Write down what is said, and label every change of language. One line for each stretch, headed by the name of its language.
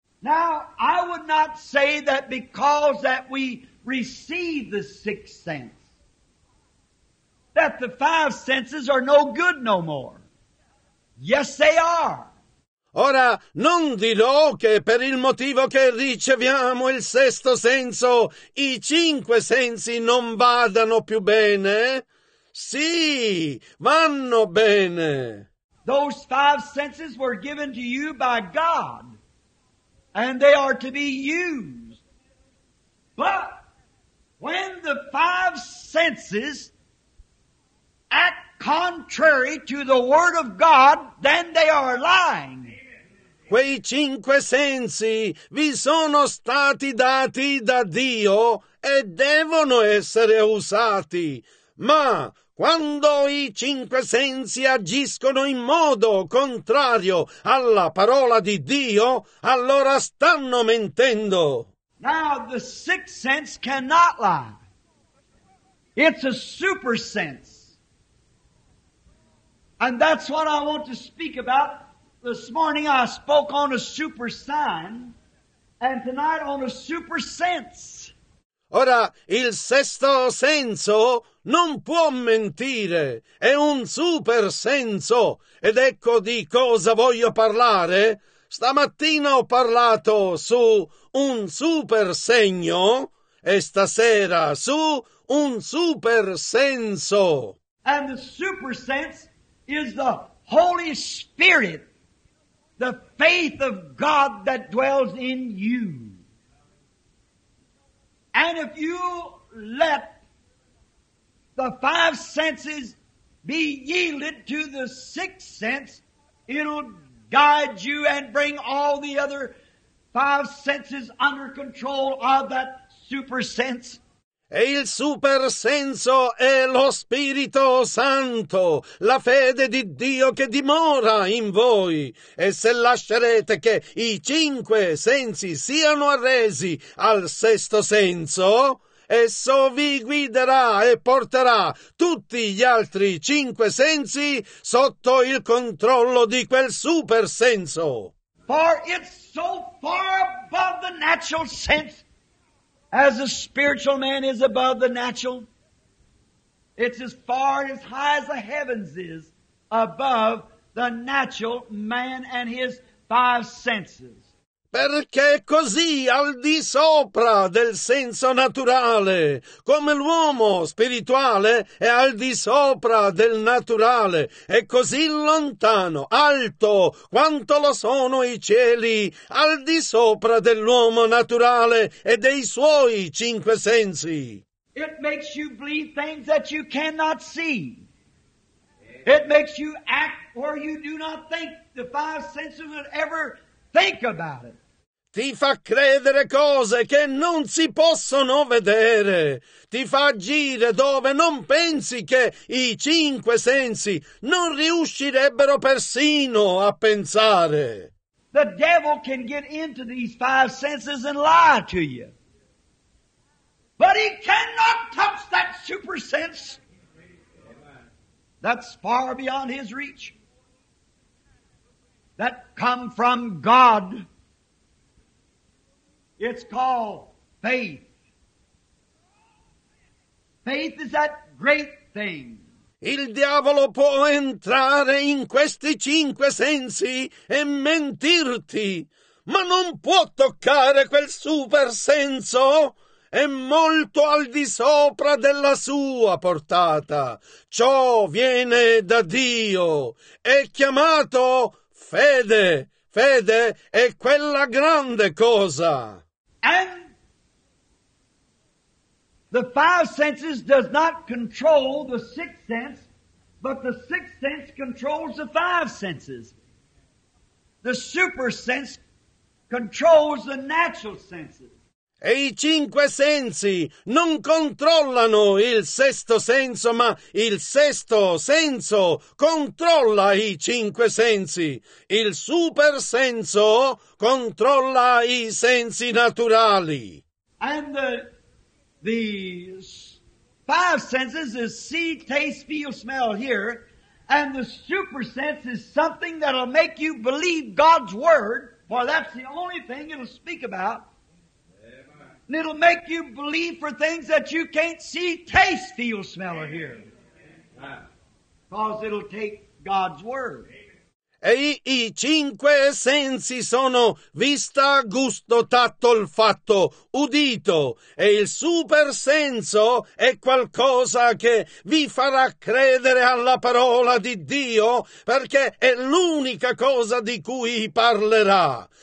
English: Now, I would not say that because that we receive the sixth sense, that the five senses are no good no more. Yes, they are.
Italian: Ora, non dirò che per il motivo che riceviamo il sesto senso, i cinque sensi non vadano più bene. Sì, vanno bene.
English: Those five senses were given to you by God, and they are to be used. But when the five senses act contrary to the word of God, then they are lying.
Italian: Quei cinque sensi vi sono stati dati da Dio e devono essere usati. Ma quando i cinque sensi agiscono in modo contrario alla parola di Dio, allora stanno mentendo.
English: Now the sixth sense cannot lie. It's a super sense. And that's what I want to speak about. This morning I spoke on a super sign, and tonight on a super sense.
Italian: Ora, il sesto senso non può mentire, è un super senso. Ed ecco di cosa voglio parlare. Stamattina ho parlato su un super segno, e stasera su un super senso.
English: And the super sense is the Holy Spirit, the faith of God that dwells in you. And if you let the five senses be yielded to the sixth sense, it'll guide you and bring all the other five senses under control of that super sense.
Italian: E il super senso è lo Spirito Santo, la fede di Dio che dimora in voi. E se lascerete che i cinque sensi siano arresi al sesto senso, esso vi guiderà e porterà tutti gli altri cinque sensi sotto il controllo di quel super senso.
English: For it's so far above the natural sense as the spiritual man is above the natural. It's as far and as high as the heavens is above the natural man and his five senses.
Italian: Perché così al di sopra del senso naturale, come l'uomo spirituale è al di sopra del naturale, è così lontano, alto, quanto lo sono i cieli, al di sopra dell'uomo naturale e dei suoi cinque sensi.
English: It makes you believe things that you cannot see. It makes you act where you do not think the five senses would ever think about it.
Italian: Ti fa credere cose che non si possono vedere. Ti fa agire dove non pensi che i cinque sensi non riuscirebbero persino a pensare.
English: The devil can get into these five senses and lie to you. But he cannot touch that super sense. That's far beyond his reach. That come from God. It's called faith. Faith is that great thing.
Italian: Il diavolo può entrare in questi cinque sensi e mentirti, ma non può toccare quel super senso. È molto al di sopra della sua portata. Ciò viene da Dio. È chiamato fede. Fede è quella grande cosa.
English: And the five senses does not control the sixth sense, but the sixth sense controls the five senses. The super sense controls the natural senses.
Italian: E i cinque sensi non controllano il sesto senso, ma il sesto senso controlla i cinque sensi. Il super senso controlla i sensi naturali.
English: And the five senses is see, taste, feel, smell, hear. And the super sense is something that'll make you believe God's word, for that's the only thing it'll speak about. And it'll make you believe for things that you can't see, taste, feel, smell, or hear. Because it'll take God's word.
Italian: E i cinque sensi sono vista, gusto, tatto, olfatto, udito. E il super senso è qualcosa che vi farà credere alla parola di Dio, perché è l'unica cosa di cui parlerà.